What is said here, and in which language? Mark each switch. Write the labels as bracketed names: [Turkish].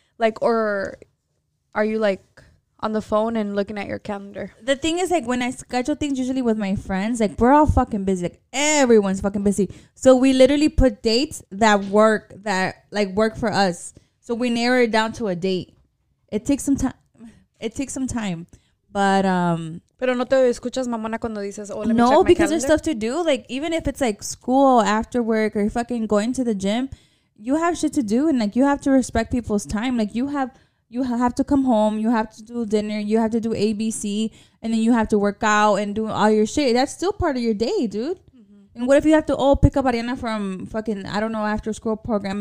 [English] Like, or are you, like, on the phone and looking at your calendar? The thing is, like, when I schedule things usually with my friends, like, we're all fucking busy. Like, everyone's fucking busy. So we literally put dates that work for us. So we narrow it down to a date. It takes some time. But, [Spanish] Pero no te escuchas mamona cuando dices, [English] oh, let me check my calendar. No, because there's stuff to do. Like, even if it's like school, after work, or fucking going to the gym, you have shit to do. And like, you have to respect people's time. Like, you have to come home. You have to do dinner. You have to do ABC. And then you have to work out and do all your shit. That's still part of your day, dude. Mm-hmm. And what if you have to, oh, pick up Ariana from fucking, I don't know, after school program.